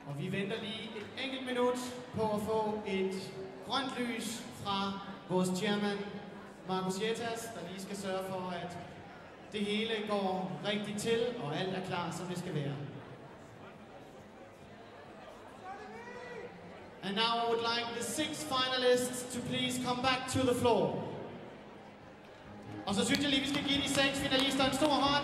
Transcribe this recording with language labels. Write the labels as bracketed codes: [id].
[da] venter lige et enkelt minut på at få et grønt lys fra vores chairman, Markus Jettas, der lige skal sørge for, at det hele går rigtigt til, og alt er klar, som det skal være. [en] And now I would like the six finalists to please come back to the floor. [da] Og så synes jeg lige, vi skal give de seks finalister en stor hånd.